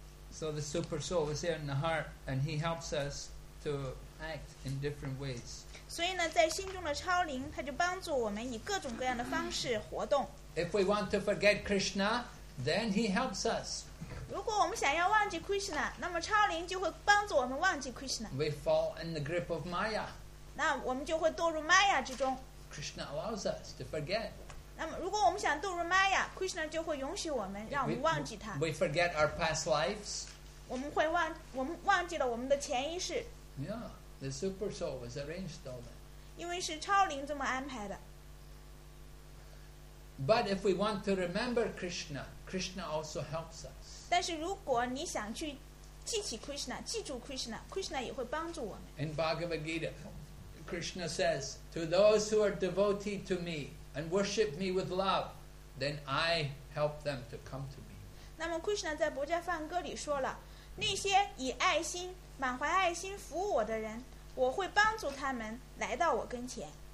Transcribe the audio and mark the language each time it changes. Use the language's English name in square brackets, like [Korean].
[English] So the super soul is there in the heart, and he helps us to act in different ways. [Chinese] 所以呢, 在心中的超灵, 他就帮助我们以各种各样的方式活动。 [English] If we want to forget Krishna, then he helps us. [Chinese] 如果我们想要忘记 Krishna, 那么超灵就会帮助我们忘记 Krishna. [English] We fall in the grip of Maya. [Chinese] 那我们就会堕入 Maya之中。 [English] Krishna allows us to forget. [Chinese] 那么如果我们想堕入 Maya, Krishna就会允许我们, 让我们忘记他。 [English] We forget our past lives. [Chinese] 我们忘记了我们的前一世。 [English] Yeah, the super soul was arranged all that. [Chinese] 因为是超灵这么安排的。 [English] But if we want to remember Krishna, Krishna also helps us. [Chinese] 但是如果你想去记起 Krishna, 记住 Krishna, Krishna也会帮助我们。 [English] In Bhagavad Gita, Krishna says, to those who are devoted to me and worship me with love, then I help them to come to me. [Chinese] 那么Krishna在《博迦梵歌》里说了，那些以爱心、满怀爱心服务我的人，我会帮助他们来到我跟前。